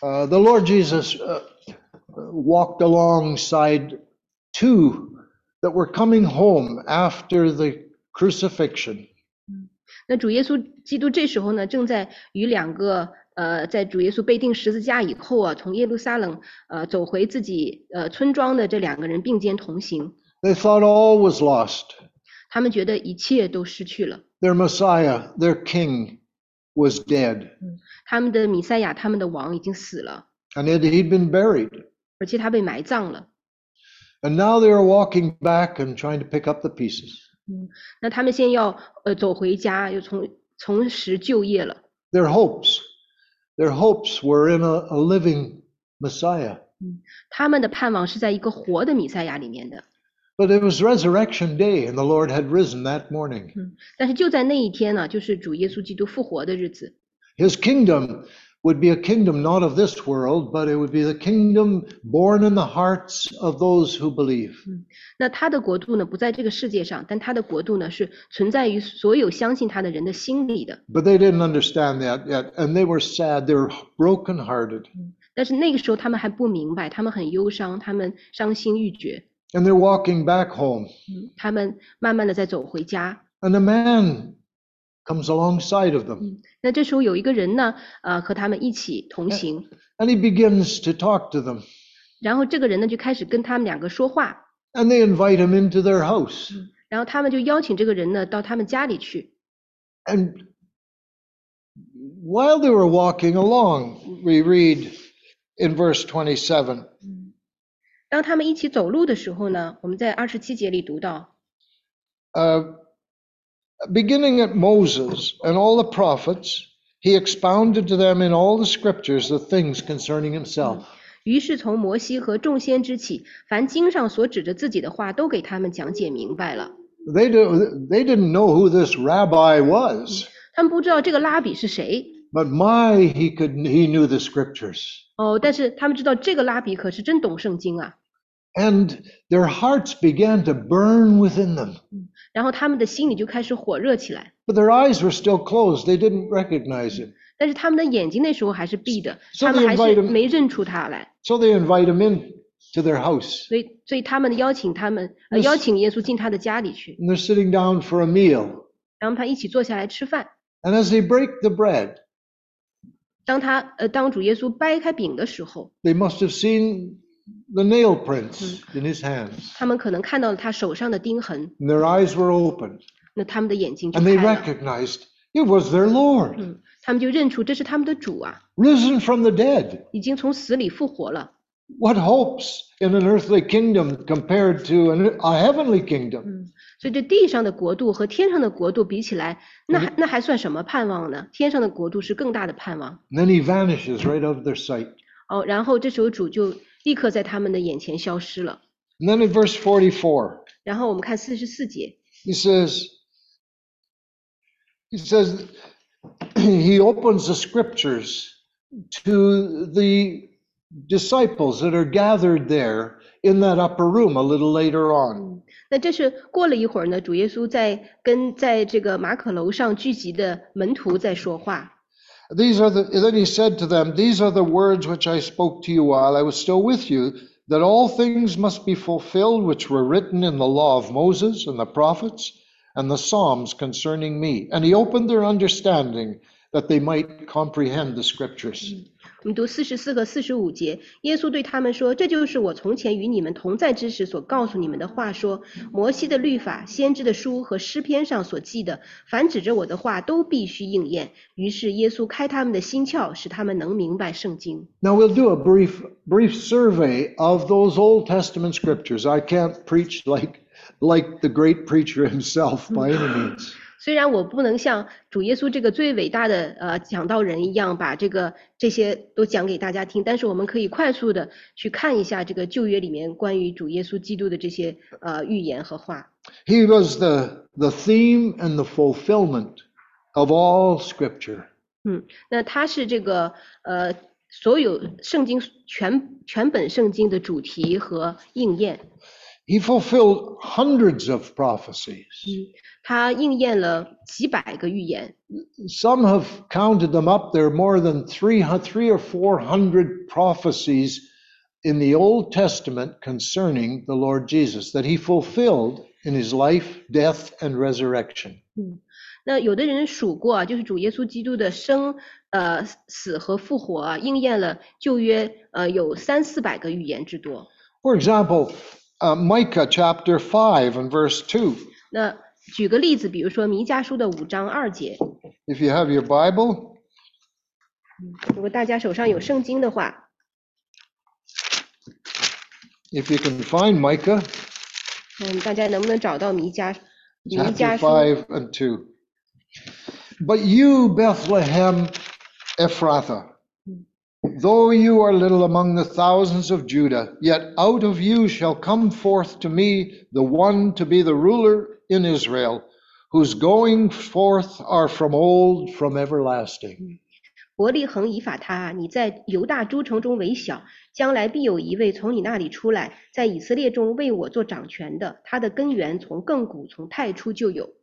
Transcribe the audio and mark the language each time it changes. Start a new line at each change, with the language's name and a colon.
English: The Lord Jesus walked alongside two that were coming home after the crucifixion.
Chinese: 那主耶稣基督这时候呢，正在与两个在主耶稣被钉十字架以后啊，从耶路撒冷走回自己村庄的这两个人并肩同行。
English: They thought all was lost.
Chinese: 他们觉得一切都失去了。
English: Their Messiah, their King, was dead.
Chinese: 他们的弥赛亚，他们的王已经死了。
English: And he'd been buried.
Chinese: 而且他被埋葬了。
English: And now they are walking back and trying to pick up the pieces.
Chinese: 那他们现在要走回家，又重拾旧业了。
English: Their hopes were in a living Messiah.
Chinese: 他们的盼望是在一个活的弥赛亚里面的。
English: But it was Resurrection Day, and the Lord had risen that morning.
Chinese: 但是就在那一天呢，就是主耶稣基督复活的日子。
English: His kingdom would be a kingdom not of this world, but it would be the kingdom born in the hearts of those who believe.
Chinese: 那他的国度呢，不在这个世界上，但他的国度呢，是存在于所有相信他的人的心里的。
English: But they didn't understand that yet, and they were sad, they were broken-hearted.
Chinese: 但是那个时候他们还不明白，他们很忧伤，他们伤心欲绝。
English: And they're walking back home.
Chinese: 他们慢慢的在走回家。
English: And a man comes alongside of them.
Chinese: 那这时候有一个人呢，和他们一起同行。
English: And he begins to talk to them.
Chinese: 然后这个人呢，就开始跟他们两个说话。
English: And they invite him into their house.
Chinese: 然后他们就邀请这个人呢，到他们家里去。
English: And while they were walking along, we read in verse 27.
Chinese: 当他们一起走路的时候呢，我们在二十七节里读到。
English: Beginning at Moses and all the prophets, he expounded to them in all the scriptures the things concerning himself.
Chinese: 于是从摩西和众先知起，凡经上所指着自己的话，都给他们讲解明白了。
English: They didn't know who this rabbi was.
Chinese: 他们不知道这个拉比是谁。
English: But my, he knew the scriptures.
Chinese: 哦，但是他们知道这个拉比可是真懂圣经啊。
English: And their hearts began to burn within them.
Chinese: 然后他们的心里就开始火热起来。
English: But their eyes were still closed. They didn't recognize him.
Chinese: 但是他们的眼睛那时候还是闭的，他们还是没认出他来。
English: So they invite him in to their house.
Chinese: 所以他们邀请他们，邀请耶稣进他的家里去。
English: And they're sitting down for a meal.
Chinese: 然后他一起坐下来吃饭。
English: And as they break the bread,
Chinese: 当他当主耶稣掰开饼的时候
English: ，They must have seen the nail prints in his hands.
Chinese: 他们可能看到了他手上的钉痕。
English: And their eyes were open.
Chinese: 那他们的眼睛就开了。
English: And they recognized it was their Lord.
Chinese: 他们就认出这是他们的主啊。
English: Risen from the dead.
Chinese: 已经从死里复活了。
English: What hopes in an earthly kingdom compared to a heavenly kingdom?
Chinese: 所以这地上的国度和天上的国度比起来，那还算什么盼望呢？天上的国度是更大的盼望。
English: Then he vanishes right out of their sight.
Chinese: 哦，然后这时候主就立刻在他们的眼前消失了。
English: Then in verse 44.
Chinese: 然后我们看44节。
English: He says, he opens the scriptures to the disciples that are gathered there in that upper room a little later on.
Chinese: 那这是过了一会儿呢，主耶稣在跟在这个马可楼上聚集的门徒在说话。
English: These are the, then he said to them, these are the words which I spoke to you while I was still with you, that all things must be fulfilled which were written in the law of Moses and the prophets and the Psalms concerning me. And he opened their understanding that they might comprehend the scriptures.
Chinese: 我们读44和45节，耶稣对他们说，这就是我从前与你们同在之时所告诉你们的话，说摩西的律法、先知的书和诗篇上所记的，凡指着我的话都必须应验。于是耶稣开他们的心窍，使他们能明白圣经。
English: Now we'll do a brief survey of those Old Testament scriptures. I can't preach like the great preacher himself by any means.
Chinese: 虽然我不能像主耶稣这个最伟大的讲道人一样把这些都讲给大家听，但是我们可以快速的去看一下这个旧约里面关于主耶稣基督的这些预言和话。
English: He was the theme and the fulfillment of all scripture.
Chinese: 那他是这个所有圣经全本圣经的主题和应验。
English: He fulfilled hundreds of prophecies.
Chinese: 他应验了几百个预言。
English: Some have counted them up. There are more than 300 or 400 prophecies in the Old Testament concerning the Lord Jesus that he fulfilled in his life, death, and resurrection.
Chinese: 那有的人数过啊，就是主耶稣基督的生、死和复活啊，应验了旧约有300-400个预言之多。
English: For example,Micah chapter 5 and verse 2.
Chinese: 那举个例子，比如说弥迦书的五章二节。
English: If you have your Bible,
Chinese: 如果大家手上有圣经的话
English: ，If you can find Micah,
Chinese: 大家能不能找到弥迦书
English: 5 and 2. But you, Bethlehem Ephrathah. Though you are little among the thousands of Judah, yet out of you shall come forth to me the one to be the ruler in Israel, whose going forth are from old, from everlasting.
Chinese: 伯利恒以法他，你在犹大诸城中为小，将来必有一位从你那里出来，在以色列中为我做掌权的，他的根源从亘古，从太初就有。